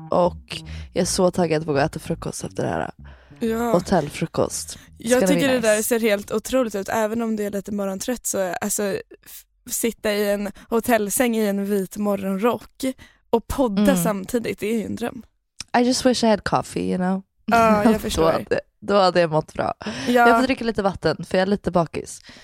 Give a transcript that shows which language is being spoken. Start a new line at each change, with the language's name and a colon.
Swedish: Och jag är så taggad att få gå och äta frukost efter det här. Ja. Hotellfrukost. Jag tycker det där ser helt otroligt ut. Även om det är lite morgontrött så alltså, sitta i en hotellsäng i en vit morgonrock och podda samtidigt, det är ju en dröm.
English: I just wish I had coffee, you know?
Swedish: Jag förstår. Då hade jag mått bra. Ja. Jag får dricka lite vatten, för jag är lite bakis.